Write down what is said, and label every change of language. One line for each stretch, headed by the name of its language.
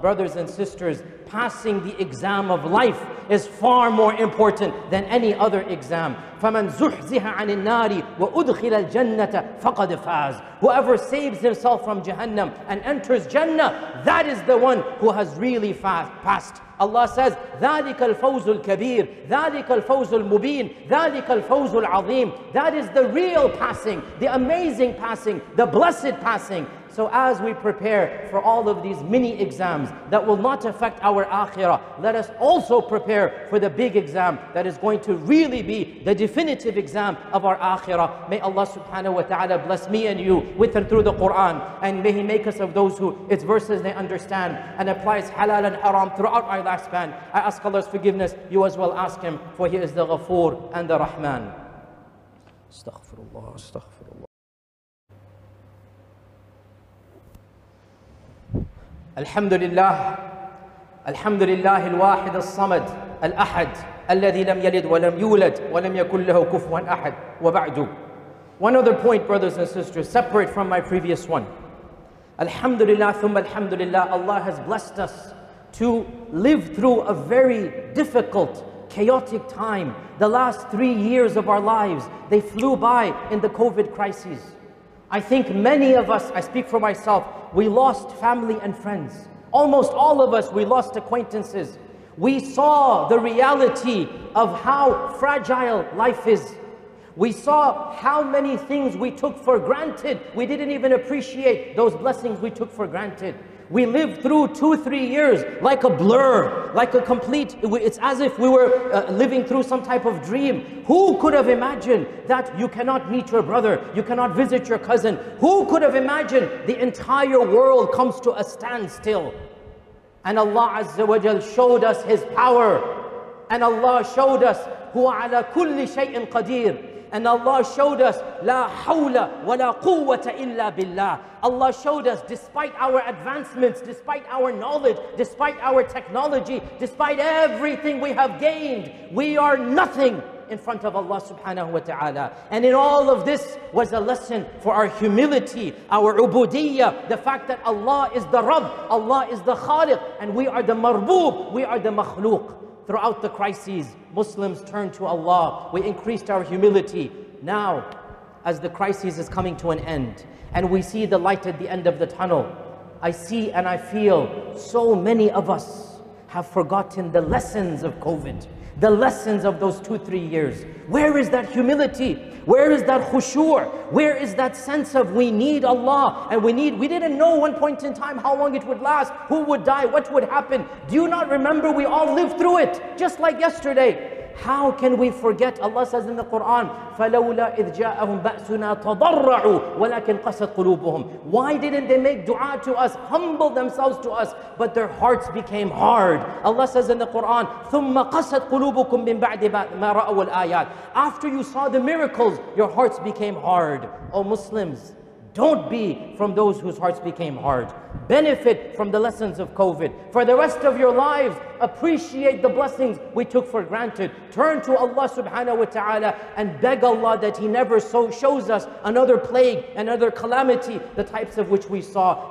English: Brothers and sisters, passing the exam of life is far more important than any other exam.
Arabic: فَمَنْ زُحْزِهَ عَنِ النَّارِ وَأُدْخِلَ الْجَنَّةَ فَقَدْ فَازْ.
English: Whoever saves himself from Jahannam and enters Jannah, that is the one who has really passed. Allah says,
Arabic: ذَلِكَ الْفَوْزُ الْكَبِيرُ ذَلِكَ الْفَوْزُ الْمُبِينُ ذَلِكَ الْفَوْزُ الْعَظِيمُ.
English: That is the real passing, the amazing passing, the blessed passing. So as we prepare for all of these mini exams that will not affect our akhirah, let us also prepare for the big exam that is going to really be the definitive exam of our akhirah. May Allah subhanahu wa ta'ala bless me and you with and through the Quran, and may He make us of those who its verses they understand and applies halal and haram throughout our lifespan. I ask Allah's forgiveness, you as well ask Him, for He is the Ghafoor and the Rahman. Astaghfirullah, astaghfirullah.
Arabic: الحمد لله الحمد لله الواحد الصمد الأحد الذي لم يلد ولم يولد ولم يكن له كفوا أحد وبعد.
English: One other point, brothers and sisters, separate from my previous one.
Arabic: الحمد لله ثم الحمد لله.
English: Allah has blessed us to live through a very difficult, chaotic time. The last 3 years of our lives, they flew by in the COVID crisis. I think many of us, I speak for myself, we lost family and friends. Almost all of us, we lost acquaintances. We saw the reality of how fragile life is. We saw how many things we took for granted. We didn't even appreciate those blessings we took for granted. We lived through 2-3 years like a blur, like a complete, it's as if we were living through some type of dream. Who could have imagined that you cannot meet your brother, you cannot visit your cousin? Who could have imagined the entire world comes to a standstill? And Allah Azza wa Jal showed us His power. And Allah showed us,
Arabic: هو على كل شيء قدير.
English: And Allah showed us,
Arabic: لا حول ولا قوة إلا بالله.
English: Allah showed us, despite our advancements, despite our knowledge, despite our technology, despite everything we have gained, we are nothing in front of Allah subhanahu wa ta'ala. And in all of this was a lesson for our humility, our ubudiyya, the fact that Allah is the Rabb, Allah is the Khaliq, and we are the marbub, we are the makhluq. Throughout the crises, Muslims turned to Allah. We increased our humility. Now, as the crisis is coming to an end, and we see the light at the end of the tunnel, I see and I feel so many of us have forgotten the lessons of COVID, the lessons of those 2-3 years. Where is that humility? Where is that khushur? Where is that sense of we need Allah? And we didn't know one point in time how long it would last, who would die, what would happen. Do you not remember we all lived through it, just like yesterday? How can we forget? Allah says in the Quran,
Arabic: فَلَوْلَا إِذْ جَاءَهُمْ بَأْسُنَا تَضَرَّعُوا وَلَكِنْ قَسَتْ قُلُوبُهُمْ.
English: Why didn't they make dua to us, humble themselves to us, but their hearts became hard? Allah says in the Quran,
Arabic: ثُمَّ قَسَتْ قُلُوبُكُمْ مِنْ بَعْدِ مَا رَأَوُوا الْآيَاتِ.
English: After you saw the miracles, your hearts became hard. Oh Muslims, don't be from those whose hearts became hard. Benefit from the lessons of COVID. For the rest of your lives, appreciate the blessings we took for granted. Turn to Allah subhanahu wa ta'ala and beg Allah that He never shows us another plague, another calamity, the types of which we saw.